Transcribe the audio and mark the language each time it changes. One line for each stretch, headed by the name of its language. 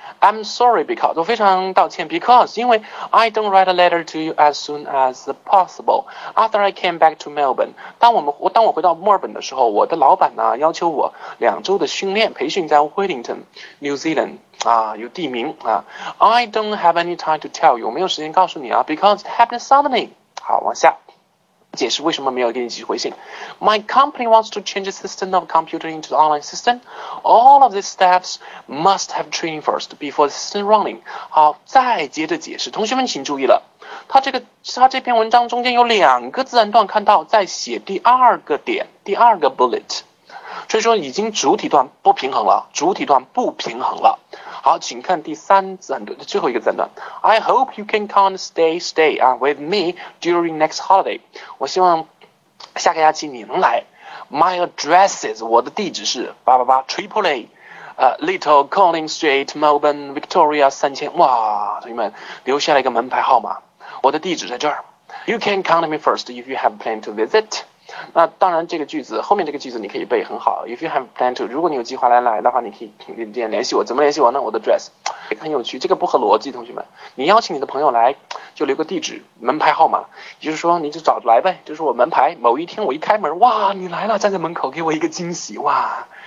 English: I'm sorry because，
Chinese: 我非常道歉
English: because，
Chinese: 因为
English: I don't write a letter to you as soon as possible after I came back to Melbourne。
Chinese: 当我回到墨尔本的时候，我的老板呢要求我两周的训练培训在 Wellington New Zealand 啊，有地名啊。
English: I don't have any time to tell you，
Chinese: 我没有时间告诉你啊，
English: because it happened suddenly。
Chinese: 好，往下解释为什么没有给你寄回信。
English: My company wants to change the system of computer into the online system. All of these staffs must have training first before the system running.
Chinese: 好，再接着解释，同学们请注意了，他这篇文章中间有两个自然段，看到在写第二个点，第二个 bullet， 所以说已经主体段不平衡了，主体段不平衡了。好，请看第三自然段，最后一个自然段。
English: I hope you can come stay、with me during next holiday。
Chinese: 我希望下个假期你能来。
English: My address is，
Chinese: 我的地址是
English: 888 Triple A， Little Collins Street, Melbourne, Victoria 3000。
Chinese: 哇，同学们留下了一个门牌号码，我的地址在这儿。
English: You can come to me first if you have a plan to visit。
Chinese: 那当然，这个句子后面这个句子你可以背很好。
English: If you have plan to，
Chinese: 如果你有计划来的话，你可以联系我。怎么联系我呢？我的 address 也很有趣，这个不合逻辑。同学们，你邀请你的朋友来，就留个地址、门牌号码，也就是说你就找来呗。就是我门牌，某一天我一开门，哇，你来了，站在门口给我一个惊喜，哇。